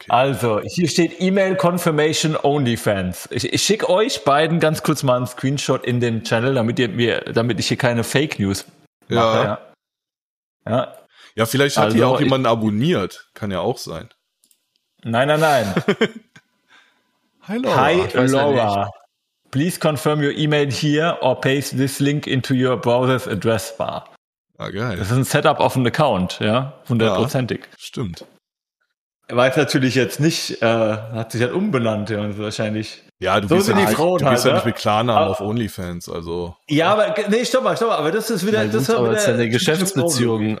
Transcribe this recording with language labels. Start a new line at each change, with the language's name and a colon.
German: Also, hier steht E-Mail Confirmation Only Fans. Ich schicke euch beiden ganz kurz mal einen Screenshot in den Channel, damit ich hier keine Fake News. Ja. Mache, ja. Ja, vielleicht hat die auch jemanden abonniert. Kann ja auch sein. Nein, nein, nein. Hi Laura. Hi Laura.
English: Please confirm your email here or paste this link into your browser's address bar.
German: Ah, geil. Das ist ein Setup auf einen Account, ja? 100%ig. Ja, stimmt. Er weiß natürlich jetzt nicht, hat sich halt umbenannt, ja, und wahrscheinlich. Ja, du bist, so ja, die Frauen, du bist halt, ja nicht mit Klarnamen auf OnlyFans, also. Ja, aber, nee, stopp mal, aber das ist wieder, ja, das aber ist eine Geschäftsbeziehung.